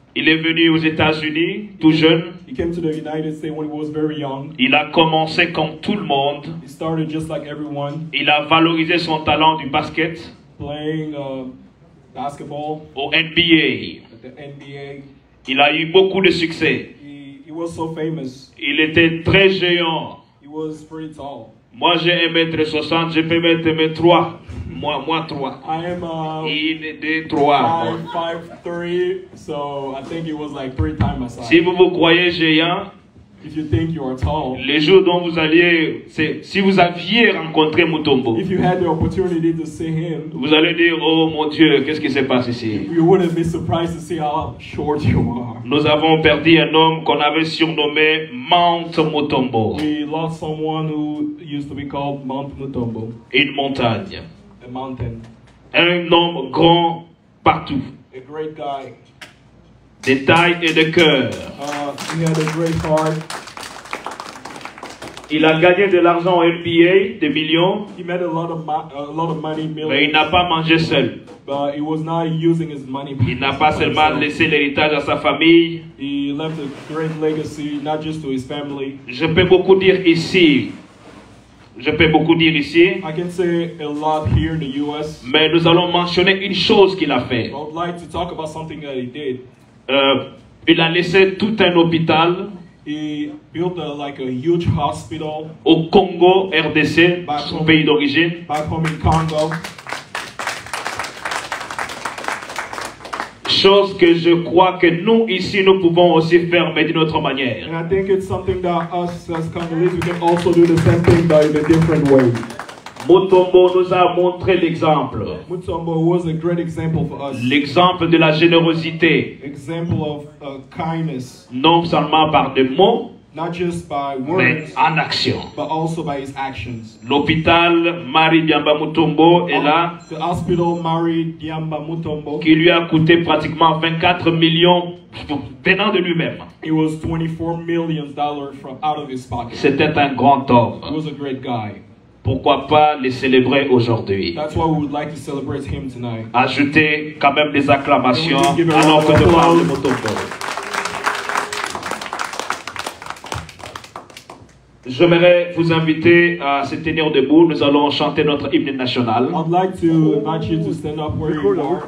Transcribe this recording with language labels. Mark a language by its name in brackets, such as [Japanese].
[French] Il est venu aux États-Unis tout jeune. [English] He came to the United States when he was very young. [French] Il a commencé comme tout le monde. [English] He started just like everyone. [French] Il a valorisé son talent du basket. [English] Playing basketball. [French] Au NBA. [English] At the NBA. [French] Il a eu beaucoup de succès. [English] He was so famous. [French] Il était très géant. [English] He was pretty tall. [French] Moi j'ai 1m60, je peux mettre 1m3. Moi 3. [English] I am 1, 2, 3. 5'3, so I think it was like 3 times my size. [French] Si vous vous croyez géant, [English] if you think you are tall, [French] les jours dont vous alliez, c'est, si vous aviez rencontré Mutombo, [English] if you had the opportunity to see him, [French] vous allez dire, oh mon Dieu, qu'est-ce qui se passe ici? [English] You wouldn't be surprised to see how short you are. [French] Nous avons perdu un homme qu'on avait surnommé Mount Mutombo. [English] We lost someone who used to be called Mount Mutombo. [French] Une montagne. [English] A mountain. [French] Un homme grand partout. [English] A great guy. [French] De taille et de cœur. [English] He had a great heart. [French] Il a gagné de l'argent au NBA, des millions. [English] He made a lot of money, millions. [French] Mais il n'a pas mangé seul. [English] But he was not using his money. [French] Il n'a pas seulement laissé l'héritage à sa famille. [English] He left a great legacy, not just to his family. [French] Je peux beaucoup dire ici. Je peux beaucoup dire ici. [English] I can say a lot here in the US. [French] Mais nous allons mentionner une chose qu'il a fait. [English] I would like to talk about something that he did. [French] Il a laissé tout un hôpital. [English] He built a huge hospital [French] au Congo RDC, son pays d'origine. [English] Back home in Congo. [French] Chose que je crois que nous ici nous pouvons aussi faire, mais d'une autre manière. [English] And I think it's something that us as Congolese we can also do the same thing but in a different way. [French] Mutombo nous a montré l'exemple. [English] Mutombo was a great example for us. [French] L'exemple de la générosité. [English] Example of kindness. [French] Non seulement par des mots, [English] not just by words, [French] mais en action. [English] But also by his actions. [French] L'hôpital Marie Diamba Mutombo est là. [English] The hospital Marie Diamba Mutombo. [French] Qui lui a coûté pratiquement 24 millions venant de lui-même. [English] It was $24 million from out of his pocket. [French] C'était un grand homme. [English] He was a great guy. [French] Pourquoi pas les célébrer aujourd'hui? [English] That's why we would like to celebrate him tonight. [French] Ajouter quand même des acclamations à l'ordre de parole de Mutombo. J'aimerais vous inviter à se tenir debout. Nous allons chanter notre hymne national. [English] I'd like to invite you to stand up where you are.